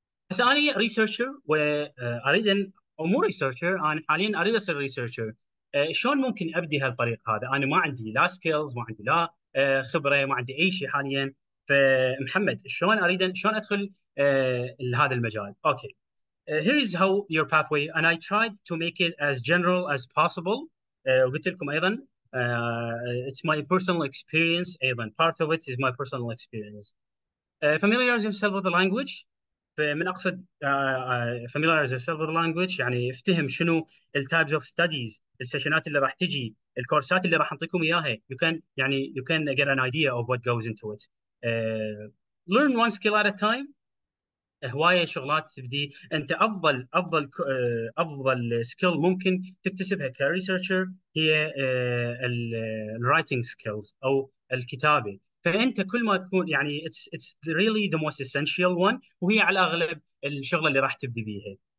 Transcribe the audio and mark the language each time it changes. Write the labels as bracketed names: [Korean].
[Arabic] بس انا ريسيرشر واريد ان او مو ريسيرشر، انا حاليا اريد اصير ريسيرشر، شلون ممكن ابدي هالطريق هذا؟ انا ما عندي لا سكيلز، ما عندي لا خبره، ما عندي اي شيء حاليا. فمحمد شلون اريد شلون ادخل لهذا المجال؟ اوكي. [English] Here is how your pathway, and I tried to make it as general as possible. [Arabic] وقلت لكم أيضاً, [English] it's my personal experience. أيضاً, part of it is my personal experience. Familiarize yourself with the language. [Arabic] فمن أقصد [English] familiarize yourself with the language. [Arabic] يعني افتهم شنو [English] the types of studies, the sessions [Arabic] اللي راح تجي, [English] the courses [Arabic] اللي راح أعطيكم إياها. [English] You can get an idea of what goes into it. Learn one skill at a time. [Arabic] هوايه شغلات تبدي انت افضل افضل افضل سكيل ممكن تكتسبها كريسيرشر هي الرايتنج سكيلز او الكتابه. فانت كل ما تكون يعني [English] it's really the most essential one, [Arabic] وهي على الاغلب الشغله اللي راح تبدي بيها.